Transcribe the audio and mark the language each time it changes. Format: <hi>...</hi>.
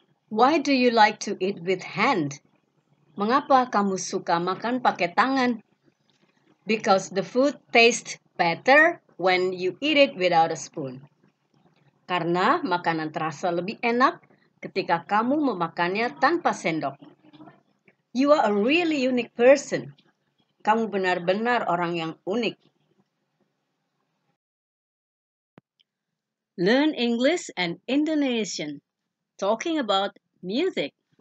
<en>Why do you like to eat with hand?</en> <id>Mengapa kamu suka makan pakai tangan?</id> <en>Because the food tastes better when you eat it without a spoon.</en> <id>Karena makanan terasa lebih enak ketika kamu memakannya tanpa sendok.</id> <en>You are a really unique person.</en> <id>Kamu benar-benar orang yang unik.</id> <en>Learn English and Indonesian. Talking about music.</en>